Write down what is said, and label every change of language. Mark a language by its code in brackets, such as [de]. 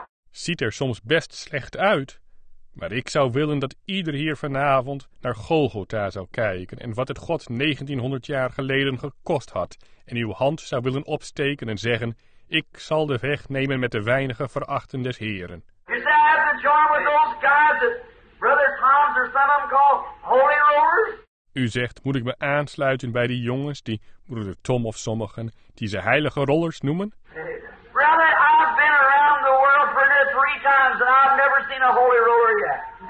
[nl] Ziet er soms best slecht uit, Maar ik zou willen dat ieder hier vanavond naar Golgotha zou kijken en wat het God 1900 jaar geleden gekost had en uw hand zou willen opsteken en zeggen, ik zal de weg nemen met de weinige verachten des Heren. [en] You say I have to join with those guys that Brother Hans or some of them call holy rollers? [nl] U zegt, moet ik me aansluiten bij die jongens, die broeder Tom of sommigen, die ze heilige rollers noemen? [en] Brother, I've been around the world for this 3 times and I've never seen a holy roller yet.